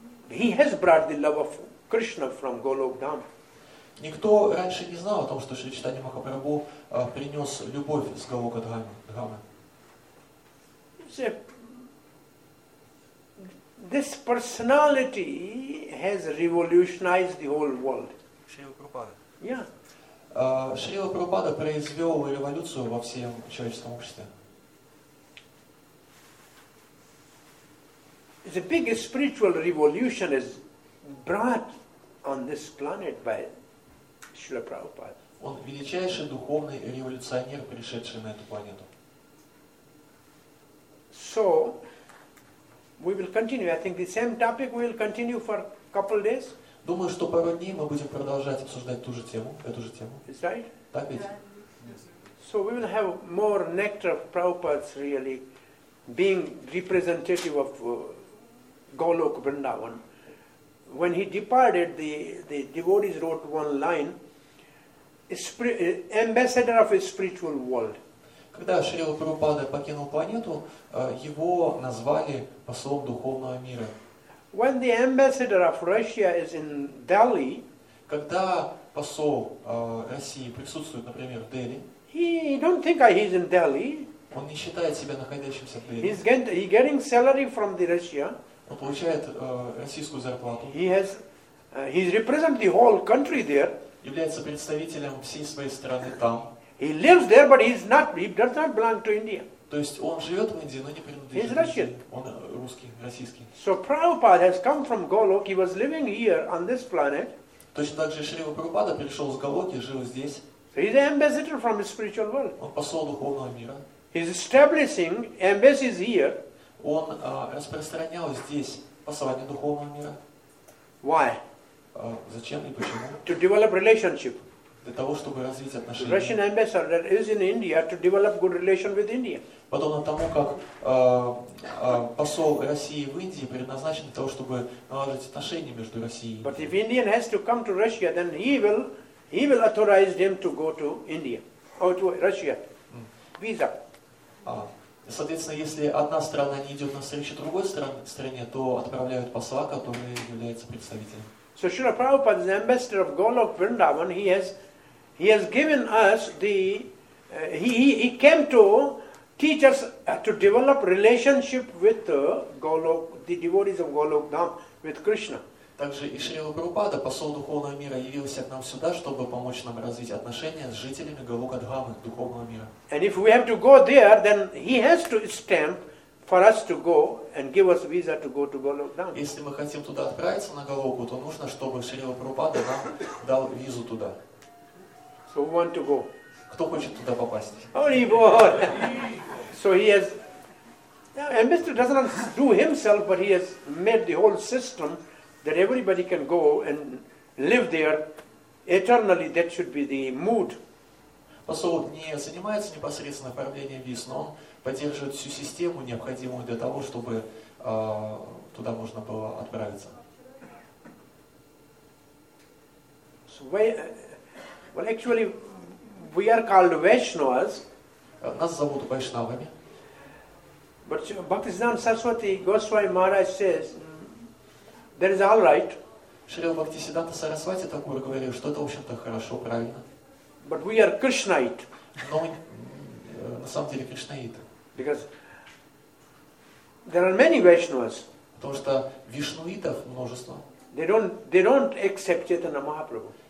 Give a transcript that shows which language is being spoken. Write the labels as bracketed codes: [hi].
[en] He has brought the love of Krishna from Golok Dham. [ru] Никто раньше не знал о том, что Шри Чайтанья Махапрабху принес любовь с Голока Дхамы. [en] This personality has revolutionized the whole world. [ru] Шрила Прабхупада. [en] Yeah. [ru] Шрила Прабхупада произвел революцию во всем человеческом обществе. [en] The biggest spiritual revolution is brought on this planet by Шрила Прабхупада. [ru] Он величайший духовный революционер, пришедший на эту планету. [en] So we will continue. I think the same topic we will continue for a couple days. [ru] Думаю, что пару дней мы будем продолжать обсуждать ту же тему, эту же тему. [en] Is that right? [ru] Так ведь? [en] Yes. So we will have more nectar of Prabhupada's really being representative of Golok Vrindavan. When he departed, the devotees wrote one line: "Ambassador of a spiritual world." [ru] Когда Шрила Прабхупада покинул планету, его назвали послом духовного мира. [en] When the ambassador of Russia is in Delhi, [ru] когда посол России присутствует, например, в Дели, [en] he don't think he's in Delhi. [ru] Он не считает себя находящимся в Дели. [en] He's getting salary from the Russia. [ru] Он получает российскую зарплату. [en] He represents the whole country there. [ru] Является представителем всей своей страны там. [en] He lives there, but he does not belong to India. [ru] То есть он живет в Индии, но не принадлежит. Он русский, российский. [en] So Prabhupada has come from Golok. He was living here on this planet. [ru] Точно так же Шрила Прабхупада пришел с Голоки, жил здесь. [en] So he's an ambassador from the spiritual world. [ru] Он посол духовного мира. [en] He's establishing embassies here. [ru] Он распространял здесь послание духовного мира. [en] Why? [ru] Зачем и почему? [en] To develop relationship. [ru] Для того, чтобы развить отношения. [en] Russian ambassador that is in India to develop good relation with India. [ru] Подобно тому, как посол России в Индии предназначен для того, чтобы наладить отношения между Россией и Индией. [en] But if Indian has to come to Russia, then he will authorize them to go to India or to Russia. Visa. [ru] Соответственно, если одна страна не идет на встречу другой стране, то отправляют посла, который является представителем. [en] So Srila Prabhupada is the ambassador of Golok Vrindavan. He has given us the he came to teach us to develop relationship with Golok, the devotees of Golok Dham, with Krishna. [ru] Также и Шрила Прабхупада, посол духовного мира, явился к нам сюда, чтобы помочь нам развить отношения с жителями Голока Дхамы, духовного мира. [en] And if we have to go there, then he has to stamp for us to go and give us visa to go to Golok Dham. [ru] Если мы хотим туда отправиться на Голоку, то нужно, чтобы Шрила Прабхупада нам дал визу туда. [en] Who want to go? [ru] Кто хочет туда попасть? [en] Holy boy! So he has. And Mr. does not do himself, but he has made the whole system that everybody can go and live there eternally. That should be the mood. [ru] Посол не занимается непосредственно оформлением виз, но он поддерживает всю систему, необходимую для того, чтобы туда можно было отправиться. [en] Well, actually, we are called Vaishnavas. [ru] Нас зовут Вайшнавами. [en] But Bhaktisiddhanta Saraswati Goswami Maharaj says, that is all right. [ru] Шрила Бхактисиддханта Сарасвати Такура говорил, что это, в общем-то, хорошо, правильно. [en] But we are Krishnaite. [ru] Но мы, на самом деле, Кришнаиты. [en] Because there are many Vaishnavas. [ru] Потому что вишнуитов множество. [en] They don't accept Chaitanya Mahaprabhu.